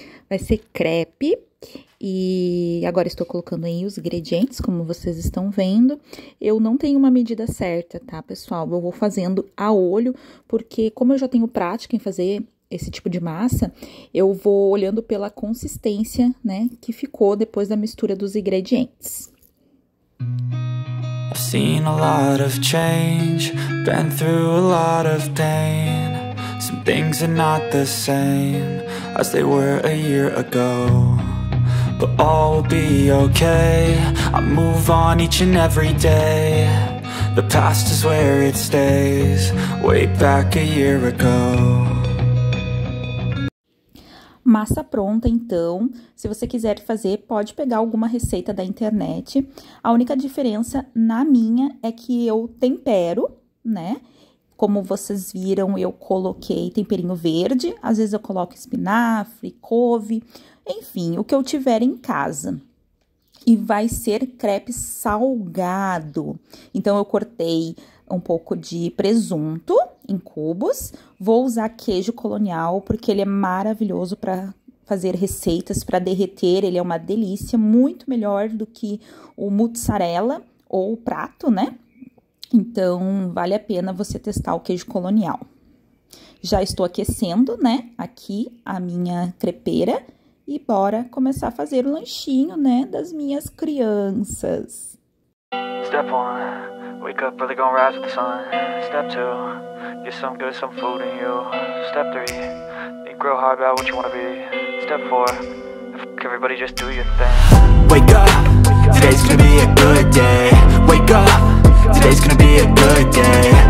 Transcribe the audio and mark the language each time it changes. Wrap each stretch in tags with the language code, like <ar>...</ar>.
<pt>Vai ser crepe. E agora estou colocando aí os ingredientes, como vocês estão vendo. Eu não tenho uma medida certa, tá, pessoal? Eu vou fazendo a olho, porque como eu já tenho prática em fazer esse tipo de massa, eu vou olhando pela consistência, né, que ficou depois da mistura dos ingredientes.</pt> <en>I've seen a lot of change, been through a lot of pain. Some things are not the same as they were a year ago. But all will be okay, I move on each and every day. The past is where it stays, way back a year ago.</en> <pt>Massa pronta, então. Se você quiser fazer, pode pegar alguma receita da internet. A única diferença na minha é que eu tempero, né? Como vocês viram, eu coloquei temperinho verde. Às vezes eu coloco espinafre, couve, enfim, o que eu tiver em casa. E vai ser crepe salgado. Então, eu cortei um pouco de presunto em cubos. Vou usar queijo colonial, porque ele é maravilhoso para fazer receitas, para derreter. Ele é uma delícia, muito melhor do que o mussarela ou o prato, né? Então, vale a pena você testar o queijo colonial. Já estou aquecendo, né, aqui a minha crepeira. E bora começar a fazer o lanchinho, né, das minhas crianças.</pt> <en>Step 1, wake up early, gonna rise with the sun. Step 2, get some good, some food in you. Step 3, think real hard about what you wanna be. Step 4, fuck everybody, just do your thing. Wake up, today's gonna be a good day. Wake up, today's gonna be a good day.</en>